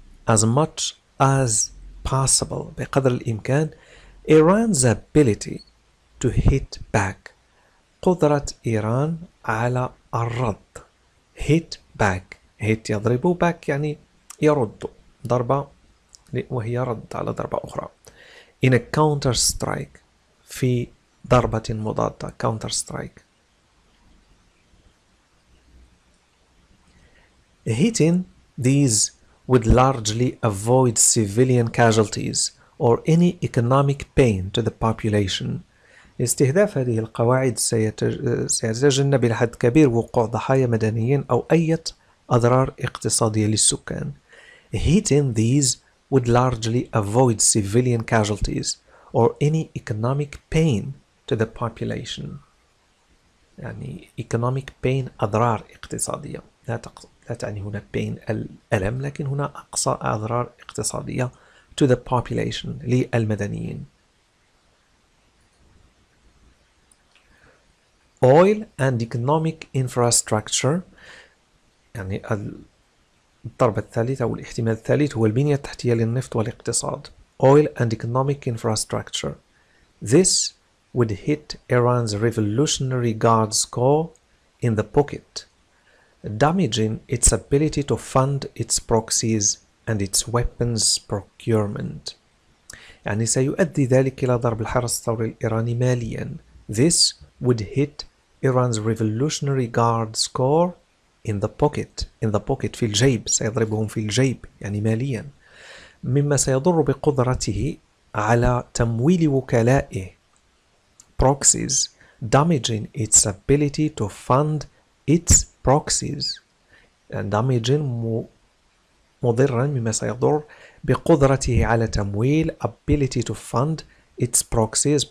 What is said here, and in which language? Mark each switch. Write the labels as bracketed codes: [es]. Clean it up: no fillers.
[en] As much as possible [ar] بقدر الإمكان [en] Iran's ability to hit back [ar] قدرة إيران على الرد. [en] Hit back, hit [ar] يضرب, back يعني يرد ضربة وهي رد على ضربة أخرى. [en] In a counter strike [ar] في ضربة مضادة [en] counter strike. Hitting these would largely avoid civilian casualties or any economic pain to the population. [ar] استهداف هذه القواعد سيتجنب إلى حد كبير وقوع ضحايا مدنيين أو أي أضرار اقتصادية للسكان. [en] Hitting these would largely avoid civilian casualties or any economic pain to the population. [ar] يعني [en] economic pain [ar] أضرار اقتصادية. لا تعني هنا pain الألم، لكن هنا أقصى أضرار اقتصادية [en] to the population [ar] للمدنيين. [en] Oil and economic infrastructure [ar] يعني الضربة الثالثة أو الاحتمال الثالث هو البنية التحتية للنفط والاقتصاد. [en] Oil and economic infrastructure. This would hit Iran's Revolutionary Guards Corps in the pocket, damaging its ability to fund its proxies and its weapons procurement. [ar] يعني سيؤدي ذلك إلى ضرب الحرس الثوري الإيراني ماليا. [en] This would hit Iran's Revolutionary Guards Corps in the pocket. In the pocket [ar] في الجيب، سيضربهم في الجيب يعني ماليا. مما سيضر بقدرته على تمويل وكلائه. [en] Proxies. Damaging its ability to fund its proxies. And damaging [ar] مضرا مما سيضر بقدرته على تمويل [en] ability to fund its proxies.